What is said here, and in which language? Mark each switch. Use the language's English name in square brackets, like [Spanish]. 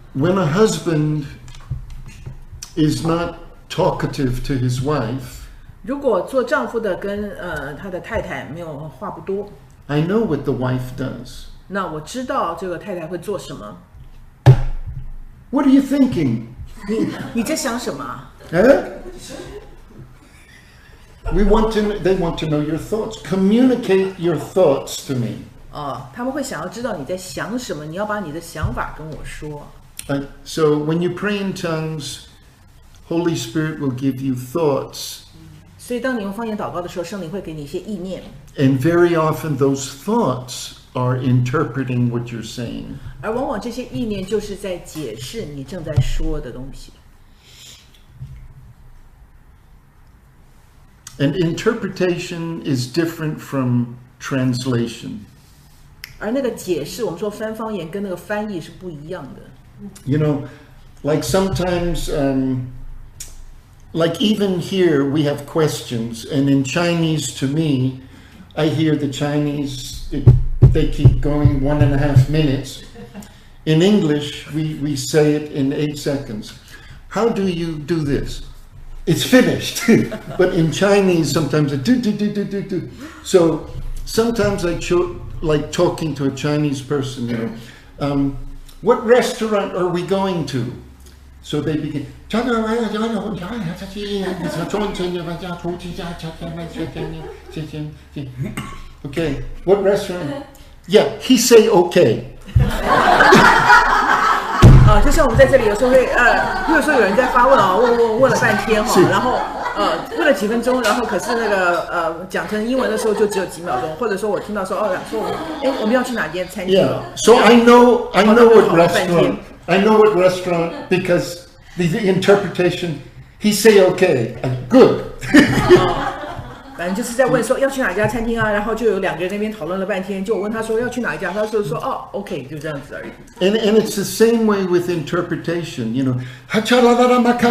[English] When a husband is not talkative to his wife, [Chinese] 如果做丈夫的跟他的太太没有话不多 [English] ，I know what the wife does. [Chinese] 那我知道这个太太会做什么。 [English] What are you thinking? [Chinese] 你在想什么？ [English] They want to know your thoughts. Communicate your thoughts to me. [Chinese] 他们会想要知道你在想什么，你要把你的想法跟我说。 [English] So when you pray in tongues, Holy Spirit will give you thoughts. [Chinese] 所以当你用方言祷告的时候，圣灵会给你一些意念。 [English] And very often those thoughts are interpreting what you're saying. [Chinese] 而往往这些意念就是在解释你正在说的东西。 [English] And interpretation is different from translation. [Chinese] 而那个解释，我们说翻方言跟那个翻译是不一样的。 [English] You know, like sometimes, like even here we have questions, and in Chinese to me, I hear the Chinese, they keep going 1.5 minutes. In English, we say it in 8 seconds. How do you do this? It's finished. But in Chinese, sometimes it do. So sometimes I like talking to a Chinese person, you know, what restaurant are we going to? So they begin, okay, what restaurant? Yeah, he say okay. [Chinese] 就像我们在这里有时候会比如说有人在发问啊、问了半天哈、然后问了几分钟，然后可是那个讲成英文的时候就只有几秒钟，或者说我听到说说我们要去哪间餐厅 [English] So I know what restaurant because the interpretation he say okay and good [Chinese] 反正就是在问说要去哪家餐厅啊，然后就有两个人在那边讨论了半天，就我问他说要去哪一家，他就说OK， 就这样子而已。 [English] And it's the same way with interpretation, you know.